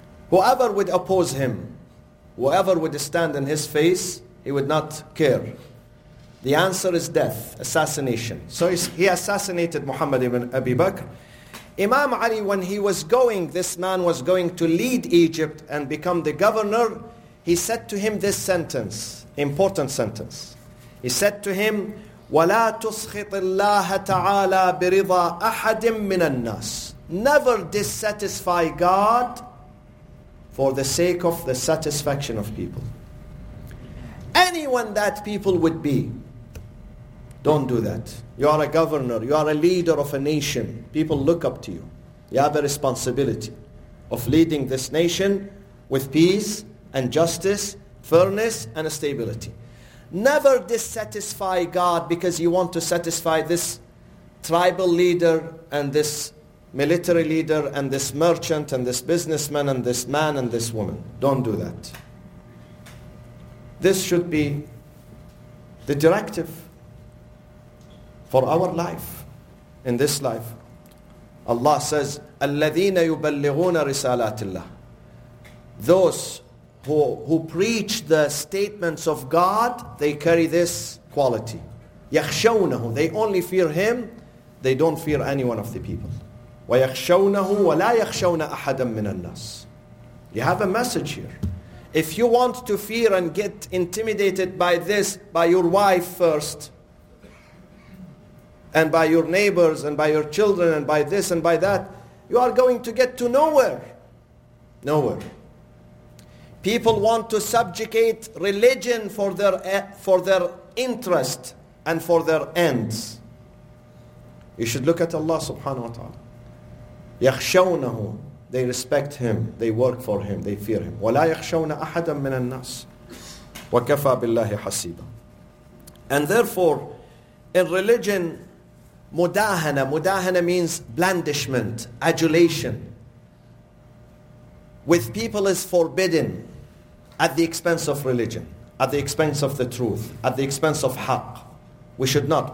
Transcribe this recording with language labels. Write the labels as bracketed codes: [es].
[en] Whoever would oppose him, whoever would stand in his face, he would not care. The answer is death, assassination. So he assassinated Muhammad ibn Abi Bakr. Imam Ali, when he was going, this man was going to lead Egypt and become the governor, he said to him this sentence, important sentence. He said to him, [ar] وَلَا تُسْخِطِ اللَّهَ تَعَالَى بِرِضَى أَحَدٍ مِّنَ النَّاسِ. [en] Never dissatisfy God for the sake of the satisfaction of people. Anyone that people would be, don't do that. You are a governor, you are a leader of a nation. People look up to you. You have a responsibility of leading this nation with peace and justice, fairness and stability. Never dissatisfy God because you want to satisfy this tribal leader and this military leader and this merchant and this businessman and this man and this woman. Don't do that. This should be the directive for our life, in this life. Allah says, [ar] الَّذِينَ يُبَلِّغُونَ رِسَالَاتِ اللَّهِ. [en] Those who preach the statements of God, they carry this quality. [ar] يَخْشَوْنَهُ. [en] They only fear Him, they don't fear anyone of the people. [ar] وَيَخْشَوْنَهُ وَلَا يَخْشَوْنَ أَحَدًا مِّنَ النَّاسِ. [en] You have a message here. If you want to fear and get intimidated by this, by your wife first, and by your neighbors, and by your children, and by this and by that, you are going to get to nowhere. Nowhere. People want to subjugate religion for their interest and for their ends. You should look at Allah subhanahu wa ta'ala. [ar] يخشونه. [en] They respect him. They work for him. They fear him. [ar] ولا يخشون أحدا من الناس. وكفى بالله حسيبا. [en] And therefore, in religion, mudahana means blandishment, adulation with people is forbidden at the expense of religion, at the expense of the truth, at the expense of haqq. We should not.